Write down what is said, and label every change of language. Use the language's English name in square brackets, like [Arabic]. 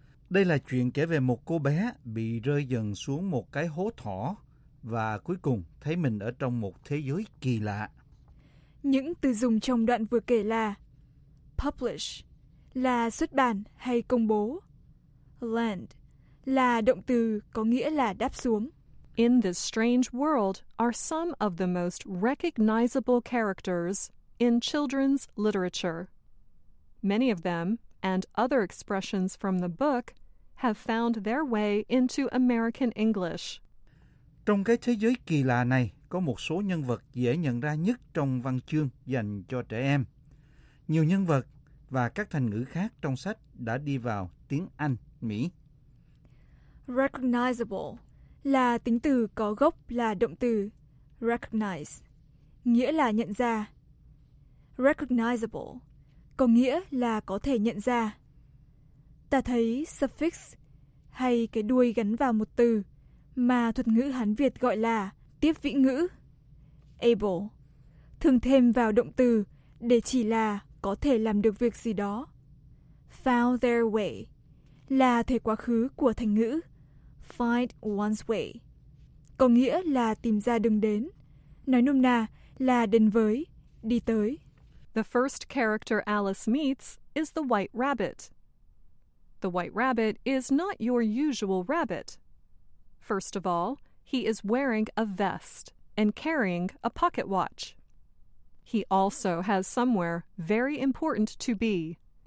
[Vietnamese] Đây là chuyện kể về một cô bé bị rơi dần xuống một cái hố thỏ và cuối cùng thấy mình ở trong một thế giới kỳ lạ. Những từ dùng trong đoạn vừa kể là publish là xuất bản hay công bố. Land là động từ có nghĩa là đáp xuống. [English] In this strange world are some of the most recognizable characters in children's literature. Many of them, and other expressions from the book, have found their way into American English. [Vietnamese] Trong cái thế giới kỳ lạ này, có một số nhân vật dễ nhận ra nhất trong văn chương dành cho trẻ em. Nhiều nhân vật và các thành ngữ khác trong sách đã đi vào tiếng Anh, Mỹ. Recognizable là tính từ có gốc là động từ recognize, nghĩa là nhận ra. Recognizable có nghĩa là có thể nhận ra. Ta thấy suffix hay cái đuôi gắn vào một từ mà thuật ngữ Hán Việt gọi là tiếp vĩ ngữ, able, thường thêm vào động từ để chỉ là có thể làm được việc gì đó. [English] Found their way [Vietnamese] là thể quá khứ của thành ngữ [English] find one's way, [Vietnamese] có nghĩa là tìm ra đường đến, nói nôm na là đến với, đi tới. [English] The first character Alice meets is the white rabbit. The white rabbit is not your usual rabbit. First of all, he is wearing a vest and carrying a pocket watch. He also has somewhere very important to be.